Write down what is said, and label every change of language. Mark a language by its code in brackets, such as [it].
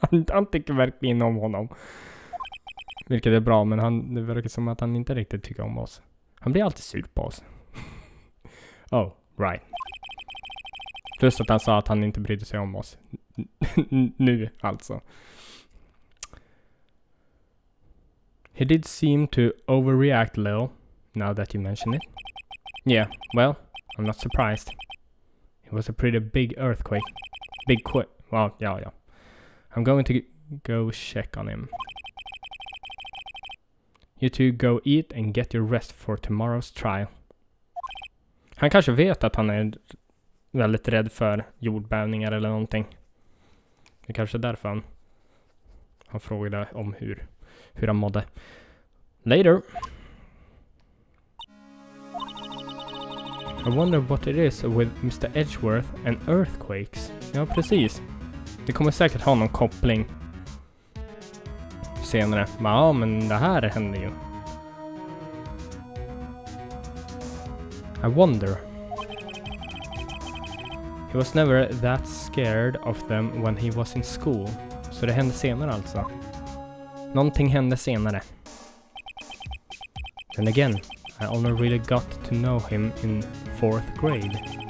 [sv] Han tycker verkligen om honom. Vilket är bra, men han, det verkar som att han inte riktigt tycker om oss. Han blir alltid sur på oss. [en] Oh, right. [sv] Plus att han sa att han inte brydde sig om oss. Nu, alltså. [en] He did seem to overreact a little, now that you mention it. Yeah, well, I'm not surprised. It was a pretty big earthquake. Big quick. Well, yeah, yeah. I'm going to go check on him. You two go eat and get your rest for tomorrow's trial. [sv] Han kanske vet att han är väldigt rädd för jordbävningar eller någonting. Det är kanske därför han frågade om hur han mådde. [en] Later. I wonder what it is with Mr. Edgeworth and earthquakes. [sv] Ja, precis. Det kommer säkert ha någon koppling senare. Ja, men det här händer ju. [en] I wonder. He was never that scared of them when he was in school. [sv] Så det hände senare alltså. Någonting hände senare. [en] Then again, I only really got to know him in fourth grade.